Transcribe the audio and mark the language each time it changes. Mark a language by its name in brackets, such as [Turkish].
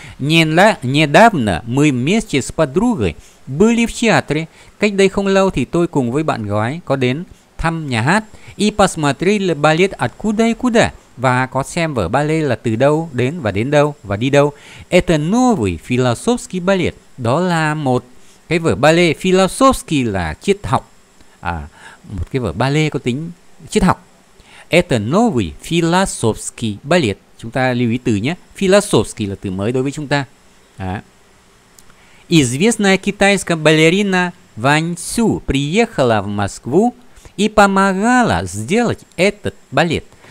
[Russian] Недавно мы вместе с подругой были в театре, [Vietnamese] cách đây không lâu thì tôi cùng với bạn gái có đến thăm nhà hát, [Russian] и посмотрели балет откуда и куда, [Vietnamese] và có xem vở ballet là từ đâu đến và đến đâu và đi đâu. [Russian] Это новый философский балет, [Vietnamese] đó là một cái vở ballet, philosophy là triết học, một cái vở ballet có tính triết học. [Russian] Это новый философский балет. [Vietnamese] Chúng ta lưu ý từ nhé. Philosophy là từ mới đối với chúng ta. [Russian] Известная китайская балерина Вань Цю приехала в Москву и помогала сделать этот балет.